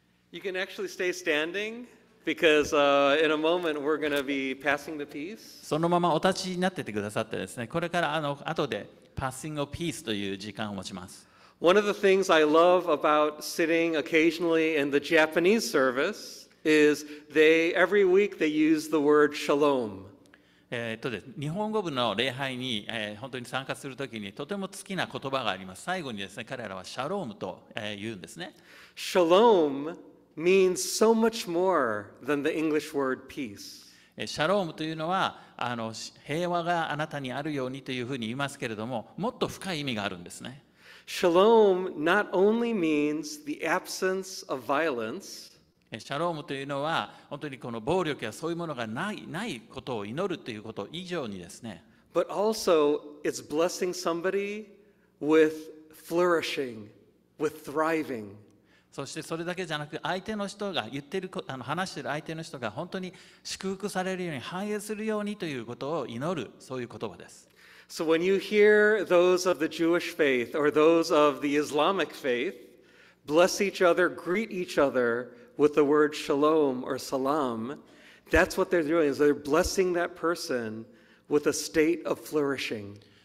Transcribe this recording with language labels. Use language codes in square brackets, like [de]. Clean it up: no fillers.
[en] You can actually stay standing because in a moment we're going to be passing the peace. [ja] そのままお立ちになっててくださってですね、これから後でパッシングオブピースという時間を持ちます。 [en] One of the things I love about sitting occasionally in the Japanese service is they every week they use the word shalom. [ja] 日本語部の礼拝に、本当に参加するときにとても好きな言葉があります。最後にですね、彼らはシャロームと、言うんですね。 [en] Shalom means so much more than the English word peace. [ja] シャロームというのは平和があなたにあるようにというふうに言いますけれども、もっと深い意味があるんですね。 [en] Shalom not only means the absence of violence. [ja] シャロームというのは本当にこの暴力やそういうものがないことを祈るということ以上にですね。 [en] But also, it's blessing somebody with flourishing, with thriving. [ja] そしてそれだけじゃなく、相手の人が言ってる話している相手の人が本当に祝福されるように繁栄するようにということを祈るそういう言葉です。 [en] So when you hear those of the Jewish faith or those of the Islamic faith, bless each other, greet each other. With the word shalom or salam, that's what they're doing. Is they're blessing that person with a state of flourishing.